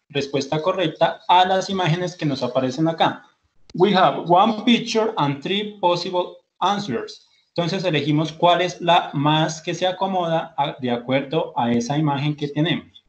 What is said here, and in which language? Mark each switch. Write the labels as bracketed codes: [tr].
[es] respuesta correcta a las imágenes que nos aparecen acá. [en] We have one picture and three possible answers. [es] Entonces elegimos cuál es la más que se acomoda a, de acuerdo a esa imagen que tenemos.